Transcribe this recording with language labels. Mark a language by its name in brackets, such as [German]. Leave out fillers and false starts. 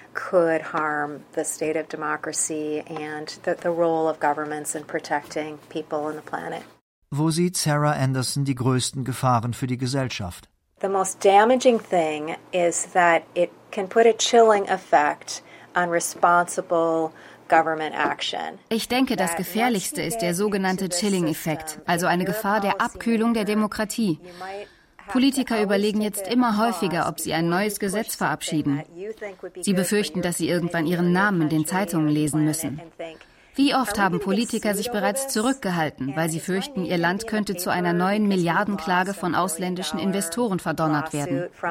[English] Could harm the state of democracy and the role of governments in protecting people on the planet. [German] Wo sieht Sarah Anderson die größten Gefahren für die Gesellschaft? [English] The most damaging thing is that it can put a chilling effect on responsible government action. [German] Ich denke, das Gefährlichste ist der sogenannte Chilling-Effekt, also eine Gefahr der Abkühlung der Demokratie. Politiker überlegen jetzt immer häufiger, ob sie ein neues Gesetz verabschieden. Sie befürchten, dass sie irgendwann ihren Namen in den Zeitungen lesen müssen. Wie oft haben Politiker sich bereits zurückgehalten, weil sie fürchten, ihr Land könnte zu einer neuen Milliardenklage von ausländischen Investoren verdonnert werden?